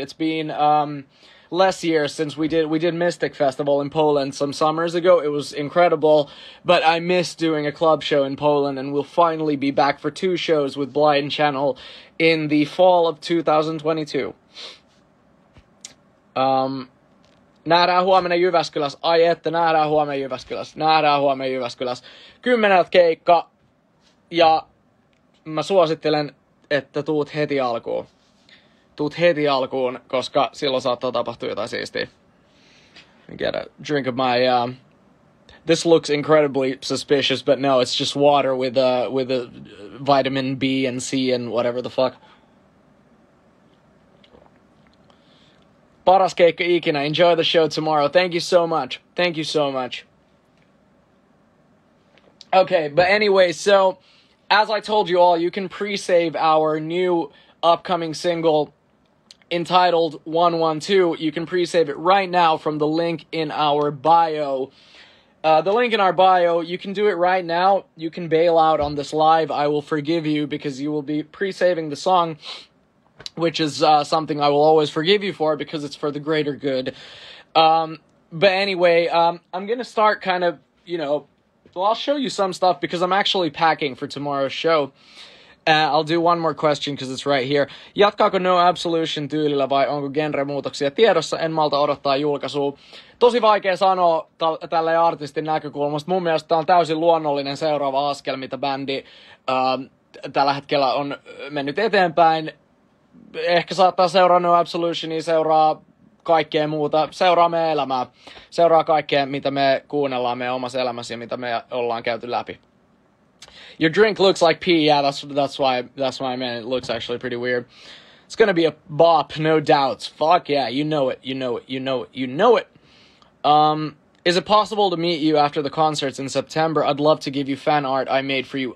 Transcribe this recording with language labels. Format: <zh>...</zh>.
<en>It's been less years since we did Mystic Festival in Poland some summers ago. It was incredible. But I miss doing a club show in Poland. And we'll finally be back for two shows with Blind Channel in the fall of 2022.</en> <fi>Nähdään huomenna Jyväskylässä. Ai että, nähdään huomenna Jyväskylässä. Nähdään huomenna Jyväskylässä. 10 keikka. Ja mä suosittelen, että tuut heti alkuun. Tuut heti alkuun, koska silloin saattaa tapahtua jotain siistiä.</fi> <en>Get a drink of my... This looks incredibly suspicious, but no, it's just water with a vitamin B and C and whatever the fuck.</en> <fi>Paras keikka ikinä.</fi> <en>Enjoy the show tomorrow. Thank you so much. Thank you so much. Okay, but anyway, so as I told you all, you can pre-save our new upcoming single entitled 112. You can pre-save it right now from the link in our bio. The link in our bio, you can do it right now. You can bail out on this live. I will forgive you because you will be pre-saving the song, which is something I will always forgive you for because it's for the greater good. But anyway, I'm going to start kind of, you know, well, I'll show you some stuff because I'm actually packing for tomorrow's show. I'll do one more question because it's right here.</en> <fi>Jatkaako No Absolution tyylillä vai onko genremuutoksia tiedossa? En malta odottaa julkaisua. Tosi vaikea sanoa tälle artistin näkökulmasta. Mun mielestä tämä on täysin luonnollinen seuraava askel, mitä bändi tällä hetkellä on mennyt eteenpäin. Ehkä saattaa seuraa No Absolutionia, seuraa kaikkea muuta, seuraa meidän elämää, seuraa kaikkea, mitä me kuunnellaan meidän omassa elämässä ja mitä me ollaan käyty läpi.</fi> <en>Your drink looks like pee, yeah, that's why, man, it looks actually pretty weird. It's gonna be a bop, no doubts. Fuck yeah, you know it. Is it possible to meet you after the concerts in September? I'd love to give you fan art I made for you.</en>